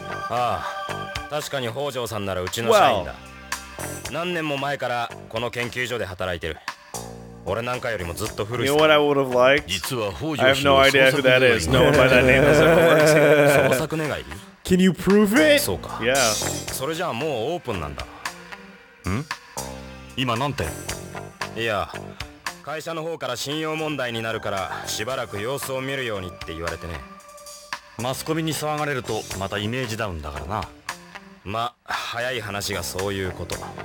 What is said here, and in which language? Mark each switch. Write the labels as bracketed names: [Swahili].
[Japanese] ああ、確かに北条さんならうちの社員だ。何年も前からこの研究所で働いてる。 [English] You know what I would have liked? I have no idea who that is. No one by that name has ever worked. Can you prove it? Yeah. [Japanese] それじゃあもうオープンなんだ。ん？今なんて？いや、会社の方から信用問題になるからしばらく様子を見るようにって言われてね。マスコミに騒がれるとまたイメージダウンだからな。ま、早い話がそういうこと。